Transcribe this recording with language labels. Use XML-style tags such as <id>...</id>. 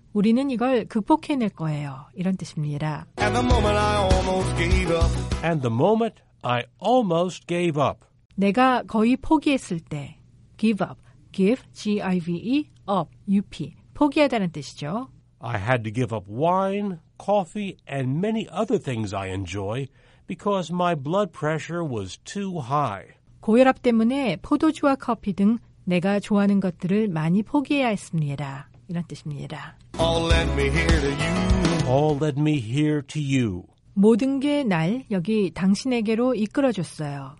<ko>우리는 이걸 극복해낼 거예요. 이런 뜻입니다.</ko> <en>And the moment I almost gave up. And the moment I almost gave up.</en> <ko>내가 거의 포기했을 때.</ko> <en>Give up. Give, G-I-V-E, up, U-P.</en> <ko>포기하다는 뜻이죠.</ko> <en>I had to give up wine, coffee, and many other things I enjoy. Because my blood pressure was too high.</en> <ko>고혈압 때문에 포도주와 커피 등 내가 좋아하는 것들을 많이 포기해야 했습니다. 이런 뜻입니다.</ko> <en>All led me here to you. All led me here to you.</en> <ko>모든 게 날 여기 당신에게로 이끌어줬어요.</ko>